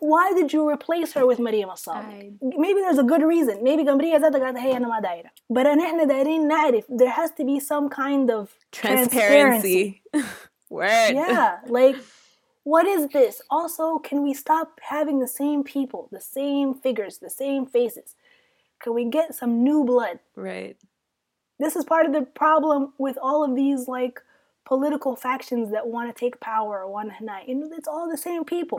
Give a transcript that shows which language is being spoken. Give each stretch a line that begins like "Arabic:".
English: Why did you replace her with Maryam al-Sadiq? Maybe there's a good reason. Maybe
Arabic: قمرية ذاتها قالت هي أنا ما دايرة.
English: But
Arabic: نحن دايرين نعرف.
English: There has to be some kind of transparency. Word. Yeah. Like, what is this? Also, can we stop having the same people, the same figures, the same faces? Can we get some new blood? Right. this is part of the problem with all of these like political factions that want to take power, one night, you know, it's all the same people,